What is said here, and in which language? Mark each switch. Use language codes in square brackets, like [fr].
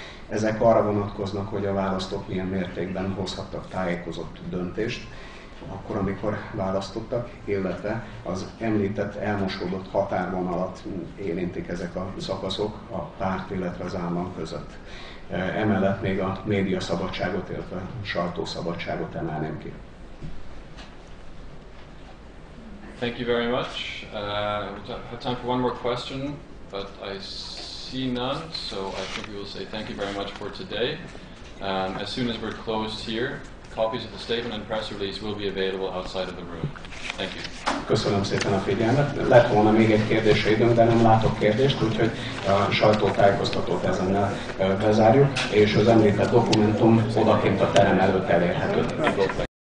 [hu] Ezek arra vonatkoznak, hogy a választók milyen mértékben hozhattak tájékozott döntést akkor, amikor választottak, illetve az említett elmosódott határvonalat érintik ezek a szakaszok a párt, illetve az állam között. Emellett még a média szabadságot, illetve a sajtószabadságot emelném ki. [en] Thank you very much. We have time for one more question, but I see none, so I think we will say thank you very much for today. As soon as we're closed here, copies of the statement and press release will be available outside of the room. Thank you. [hu] Köszönöm szépen a figyelmet. Lett volna még egy kérdése időm, de nem látok kérdést, úgyhogy a sajtótájékoztatót ezennel bezárjuk, és az említett dokumentum odakint a terem előtt elérhető.